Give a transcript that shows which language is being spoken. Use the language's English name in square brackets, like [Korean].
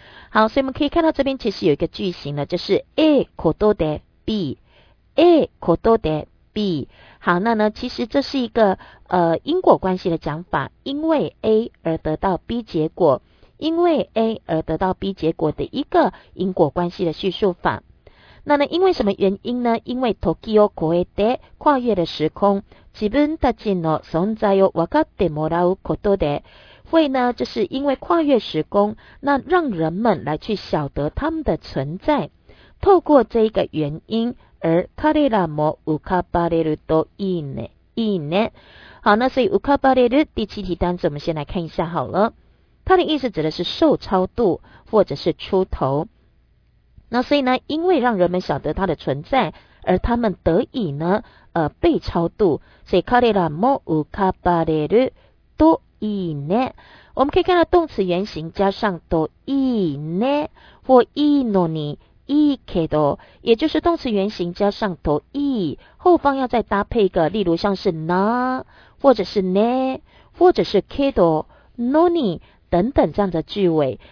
[Chinese] 好，所以我们可以看到这边其实有一个句型了，就是 A ことで B， A ことで B。好，那呢其实这是一个因果关系的讲法，因为 A 而得到 B 结果，因为 A 而得到 B 结果的一个因果关系的叙述法。那呢因为什么原因呢，因为 [Japanese] 時を超えて [Chinese] 跨越的时空， [Japanese] 自分たちの存在を分かってもらうことで， [Chinese] 会呢就是因为跨越时空，那让人们来去晓得他们的存在，透过这一个原因而 [Japanese] 彼らも浮かばれるといいね。いいね。 [Chinese] 好，那所以浮かばれる第七题单词我们先来看一下好了，它的意思指的是受超度或者是出头。那所以呢因为让人们晓得他的存在而他们得以呢被超度，所以 [Japanese] 彼らも浮かばれるといいね。 [Chinese] 我们可以看到动词原形加上といいね或いいのに、いいけど，也就是动词原形加上といい，后方要再搭配一个，例如像是な或者是ね或者是けど、のに等等这样的句尾。